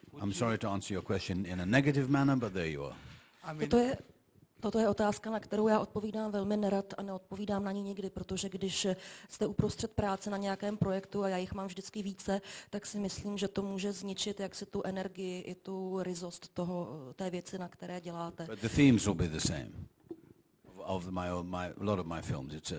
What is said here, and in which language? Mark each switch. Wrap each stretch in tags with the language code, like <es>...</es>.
<en>I'm sorry to answer your question in a negative manner, but there you are.</en> <cs>Toto je otázka, na kterou já odpovídám velmi nerad a neodpovídám na ní nikdy, protože když jste uprostřed práce na nějakém projektu a já jich mám vždycky více, tak si myslím, že to může zničit jak si tu energii i tu ryzost toho té věci, na které děláte.</cs> <en>But the themes will be the same of my a lot of my films.</en>